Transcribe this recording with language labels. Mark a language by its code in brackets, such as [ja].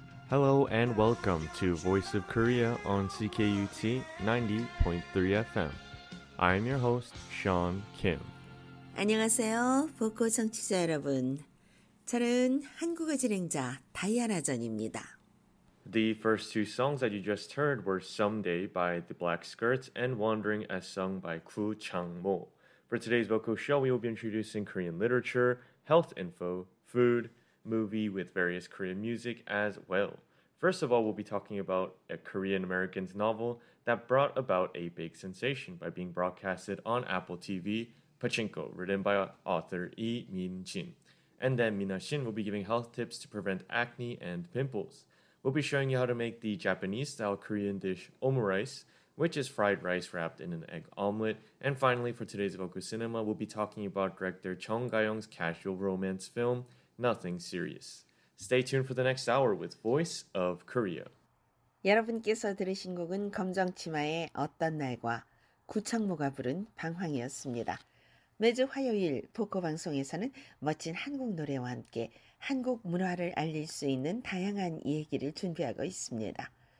[en] Hello and welcome to Voice of Korea on CKUT 90.3 FM. I am your host, Sean Kim. [ko] 안녕하세요, 북코 청취자 여러분. 저는 한국어 진행자 다이아나 전입니다. [en] The first two songs that you just heard were Someday by The Black Skirts and Wandering as sung by Ku Chang-mo. For today's vocal show, we will be introducing Korean literature, health info, food, movie with various Korean music as well. First of all, we'll be talking about a Korean American's novel that brought about a big sensation by being broadcasted on Apple TV, Pachinko, written by author Lee Min-jin. And then Mina Shin will be giving health tips to prevent acne and pimples. We'll be showing you how to make the Japanese-style Korean dish omurice, which is fried rice wrapped in an egg omelet. And finally, for today's Voku Cinema, we'll be talking about director Chung Ga-young's casual romance film, Nothing Serious. Stay tuned for the next hour with Voice of Korea. [ko] 여러분께서 들으신 곡은 검정치마의 어떤 날과 구창모가 부른 방황이었습니다. 매주 화요일 포커 방송에서는 멋진 한국 노래와 함께 한국 문화를 알릴 수 있는 다양한 이야기를 준비하고 있습니다.